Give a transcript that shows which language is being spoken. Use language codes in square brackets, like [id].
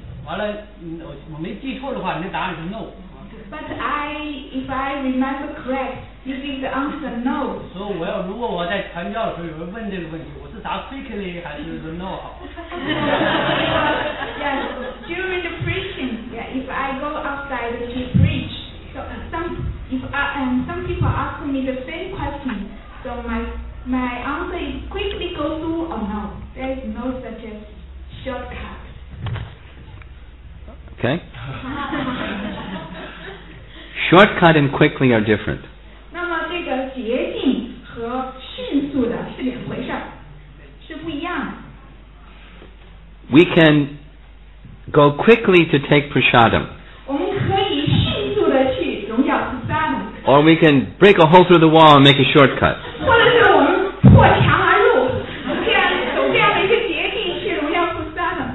[zh] 完了，我没记错的话，你的答案是 no。 [en] But if I remember correct, you give the answer no. [zh] 所以我要如果我在传教的时候有人问这个问题，我是答 quickly 还是说 no 好？ [en] Yes, during the preaching, yeah, if I go outside to preach, so some people ask me the same question, so my answer is quickly go through or no. There is no such a shortcut. Okay. Shortcut and quickly are different. [zh] 那么这个捷径和迅速的是两回事，是不一样的。 [en] We can go quickly to take prasadam. [zh] 我们可以迅速的去荣耀菩萨。 [en] Or we can break a hole through the wall and make a shortcut. [zh] 或者是我们破墙而入，这样的一个捷径去荣耀菩萨。